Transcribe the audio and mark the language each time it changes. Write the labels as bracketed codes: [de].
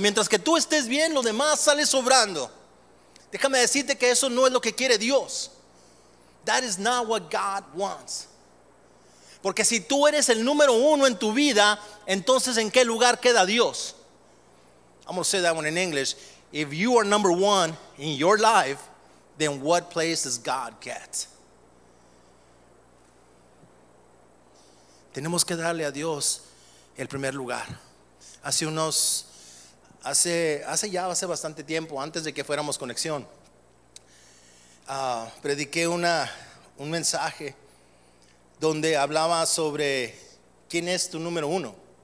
[es] Mientras que tú estés bien, los demás salen sobrando. Déjame decirte que eso no es lo que quiere Dios. [en] That is not what God wants. [es] Porque si tú eres el número uno en tu vida, entonces ¿en qué lugar queda Dios? [en] I'm gonna say that one in English. If you are number one in your life, then what place does God get? [es] Tenemos que darle a Dios el primer lugar. Hace bastante tiempo, antes de que fuéramos conexión, prediqué un mensaje donde hablaba sobre quién es tu número uno.